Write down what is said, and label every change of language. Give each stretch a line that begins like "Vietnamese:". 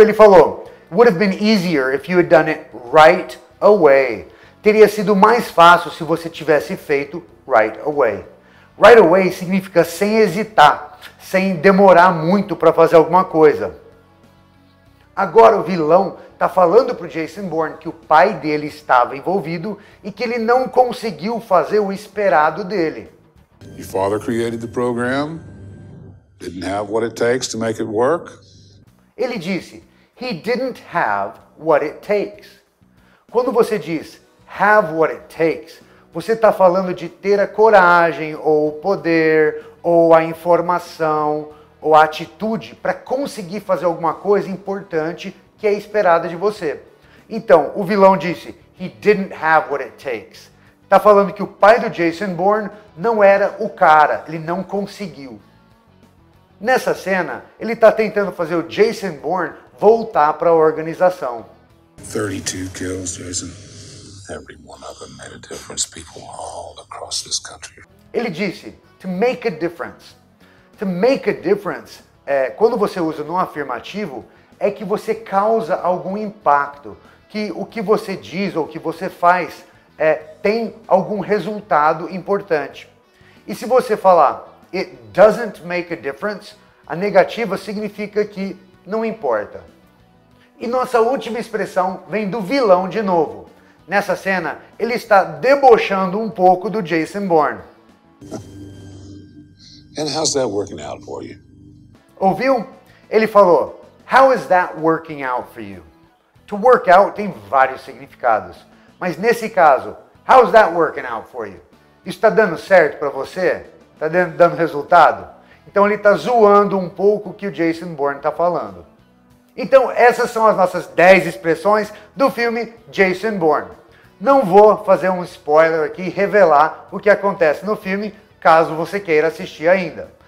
Portuguese: Ele falou,
English: would have been easier if you had done it right away.
Portuguese: Teria sido mais fácil se você tivesse feito
English: right away. Right away
Portuguese: significa sem hesitar, sem demorar muito para fazer alguma coisa. Agora o vilão está falando para o Jason Bourne que o pai dele estava envolvido e que ele não conseguiu fazer o esperado dele. Seu pai criou o programa, não tinha o que precisa para fazer funcionar. Ele disse,
English: he didn't have what it takes.
Portuguese: Quando você diz
English: have what it takes,
Portuguese: você está falando de ter a coragem, ou o poder, ou a informação, ou a atitude para conseguir fazer alguma coisa importante que é esperada de você. Então, o vilão disse,
English: he didn't have what it takes.
Portuguese: Está falando que o pai do Jason Bourne não era o cara, ele não conseguiu. Nessa cena, ele está tentando fazer o Jason Bourne voltar para a organização.
English: 32 kills, Jason. Every one of them made a difference. People all across this country.
Portuguese: Ele disse,
English: to make a difference. To make a difference,
Portuguese: é, quando você usa no afirmativo, é que você causa algum impacto, que o que você diz ou o que você faz é, tem algum resultado importante. E se você falar,
English: it doesn't make a difference,
Portuguese: a negativa significa que não importa. E nossa última expressão vem do vilão de novo. Nessa cena, ele está debochando um pouco do Jason Bourne.
English: And how's that working out for you?
Portuguese: Ouviu? Ele falou,
English: how is that working out for you? To work out
Portuguese: tem vários significados. Mas nesse caso,
English: how's that working out for you?
Portuguese: Isso está dando certo para você? Está dando resultado? Então ele está zoando um pouco o que o Jason Bourne está falando. Então essas são as nossas 10 expressões do filme Jason Bourne. Não vou fazer um spoiler aqui e revelar o que acontece no filme, caso você queira assistir ainda.